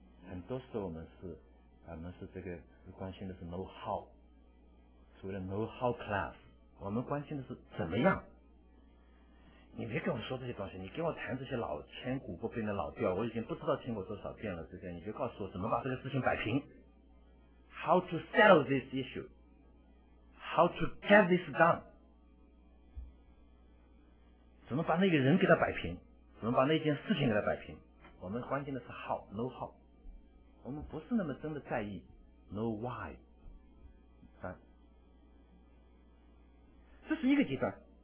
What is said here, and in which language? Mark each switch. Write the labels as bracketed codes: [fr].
[zh] 很多时候我们是这个关心的是 know how， 所谓的 know how class， 我们关心的是怎么样。你别跟我说这些东西，你跟我谈这些老千古不变的老调，我已经不知道听过多少遍了。这个你就告诉我怎么把这个事情摆平。 [en] How to settle this issue? How to get this done? [zh] 怎么把那个人给他摆平？怎么把那件事情给他摆平？我们关心的是 how, no how。我们不是那么真的在意 no why。这是一个极端。